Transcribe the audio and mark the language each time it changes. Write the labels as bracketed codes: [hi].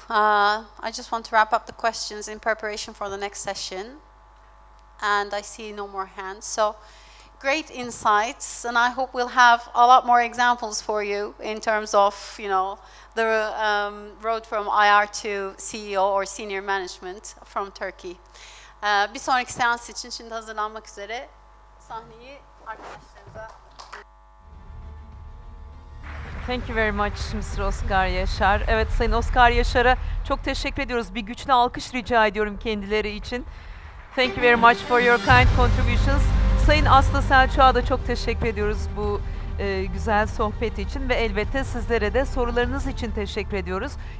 [en] I just want to wrap up the questions in preparation for the next session. And I see no more hands. So great insights, and I hope we'll have a lot more examples for you in terms of, you know, the road from IR to CEO or senior management from Turkey. [tr] Bir sonraki seans için şimdi hazırlanmak üzere sahneyi arkadaşlarımıza. [en] Thank you very much Mr. Oscar Yaşar. [tr] Evet, Sayın Oscar Yaşar'a çok teşekkür ediyoruz. Bir güçlü alkış rica ediyorum kendileri için. [en] Thank you very much for your kind contributions. [tr] Sayın Aslı Selçuk'a da çok teşekkür ediyoruz bu güzel sohbet için ve elbette sizlere de sorularınız için teşekkür ediyoruz.